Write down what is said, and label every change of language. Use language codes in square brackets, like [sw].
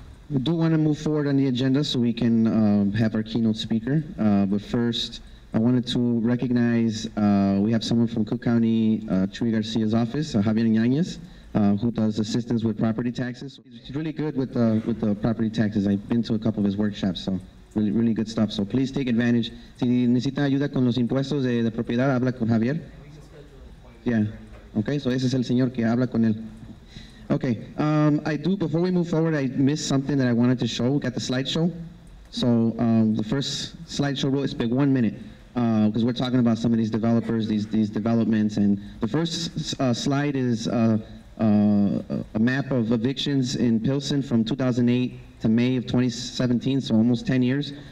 [en] We do want to move forward on the agenda so we can have our keynote speaker. But first, I wanted to recognize we have someone from Cook County, Chuy Garcia's office, Javier Yanez, who does assistance with property taxes. He's really good with the property taxes. I've been to a couple of his workshops, so really, really good stuff. So please take advantage. [es] Si necesita ayuda con los impuestos de propiedad, habla con Javier. [en] Yeah. [es] Okay, so ese es el señor que habla con él. [en] Okay, I do, before we move forward, I missed something that I wanted to show. We got the slideshow. So the first slideshow really is big, 1 minute, because we're talking about some of these developers, these developments. And the first slide is a map of evictions in Pilsen from 2008 to May of 2017, so almost 10 years.